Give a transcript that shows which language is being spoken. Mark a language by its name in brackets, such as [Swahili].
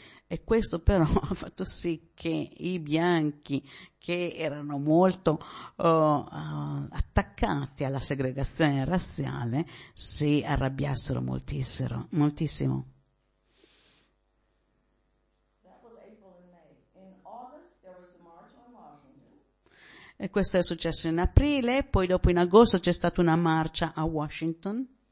[Italian] E questo però ha fatto sì che i bianchi, che erano molto attaccati alla segregazione razziale, si arrabbiassero moltissimo. [English] That was April and May. In August there was the march on Washington. [Italian] E questo è successo in aprile, poi dopo in agosto c'è stata una marcia a Washington.